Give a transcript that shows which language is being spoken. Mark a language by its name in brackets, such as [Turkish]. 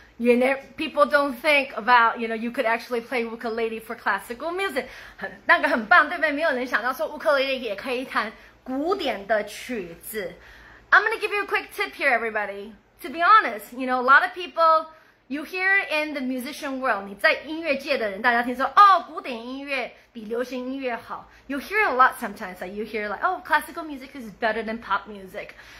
[English] You know, people don't think about, you know, you could actually play ukulele for classical music. [Chinese] 那个很棒，对不对？没有人想到说乌克丽丽也可以弹古典的曲子。 I'm going to give you a quick tip here, everybody. To be honest, you know, a lot of people... [English] You hear in the musician world, [Chinese] 你在音乐界的人，大家听说哦，古典音乐比流行音乐好。 [English] You hear a lot sometimes, like you hear like, oh, classical music is better than pop music.